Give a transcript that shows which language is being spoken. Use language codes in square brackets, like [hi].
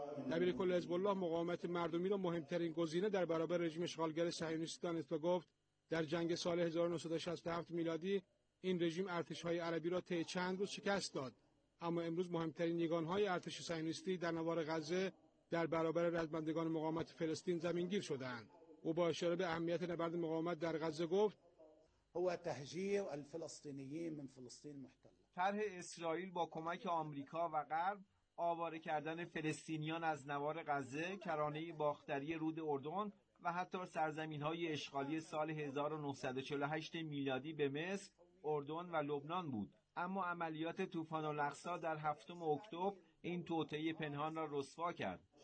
[fa] دبیر کل حزب الله مقاومت مردمی را مهمترین گزینه در برابر رژیم اشغالگر صهیونیستی دانست و گفت در جنگ سال 1967 میلادی این رژیم ارتش‌های عربی را طی چند روز شکست داد، اما امروز مهمترین نیروهای ارتش صهیونیستی در نوار غزه در برابر رزمندگان مقاومت فلسطین زمینگیر شدند. او با اشاره به اهمیت نبرد مقاومت در غزه گفت [ar] هو تهجير الفلسطينيين من فلسطين المحتله. [fa] طرح اسرائیل با کمک آمریکا و غرب آواره کردن فلسطینیان از نوار غزه، کرانه باختری رود اردن و حتی سرزمین‌های اشغالی سال 1948 میلادی به مصر، اردن و لبنان بود. اما عملیات طوفان الاقصا در 7 اکتبر این توطئه پنهان را رسوا کرد.